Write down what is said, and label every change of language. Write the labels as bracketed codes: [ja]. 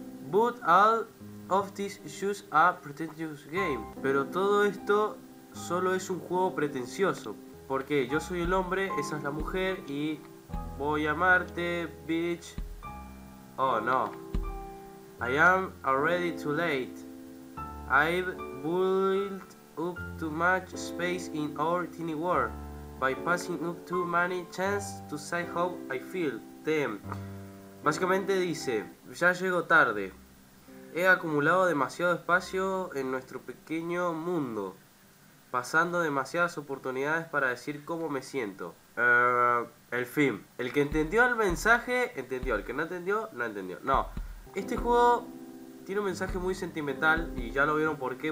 [en] But all of this is just a pretentious game. [es] Pero todo esto solo es un juego pretencioso. Porque yo soy el hombre, esa es la mujer y voy a amarte, bitch. [en] Oh, no. I am already too late. I've built up too much space in our tiny world. By passing up too many chances to say how I feel. [es] Básicamente dice, ya llego tarde. He acumulado demasiado espacio en nuestro pequeño mundo. Pasando demasiadas oportunidades para decir cómo me siento. El fin. El que entendió el mensaje, entendió. El que no entendió, no entendió. No. Este juego tiene un mensaje muy sentimental y ya lo vieron por qué.